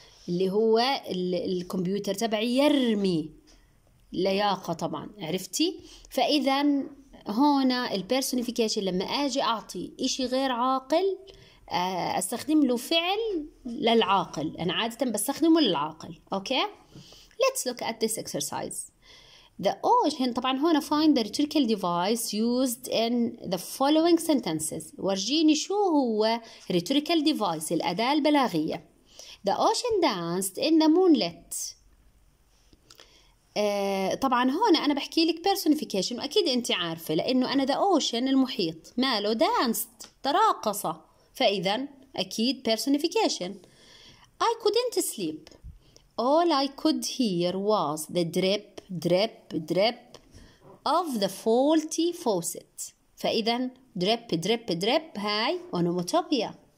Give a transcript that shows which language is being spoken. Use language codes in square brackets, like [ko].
[ar] اللي هو الكمبيوتر تبعي يرمي. لياقة طبعا، عرفتي؟ فإذا هنا البيرسونيفيكيشن لما أجي أعطي إشي غير عاقل أستخدم له فعل للعاقل، أنا عادة بستخدمه للعاقل. [en] Okay? Let's look at this exercise. The ocean [ar] طبعا هنا [en] find the rhetorical device used in the following sentences. [ar] ورجيني شو هو rhetorical device، الأداة البلاغية. [en] The ocean danced in the moonlit. [ar] طبعا هون انا بحكي لك بيرسونيفيكيشن واكيد انت عارفه لانه انا [en] the ocean [ar] المحيط، ماله دانس تراقصه، فاذا اكيد بيرسونيفيكيشن. [en] I couldn't sleep. All I could hear was the drip drip drip of the faulty faucet. [ar] فاذا drip drip drip هاي اونوموتوبيا.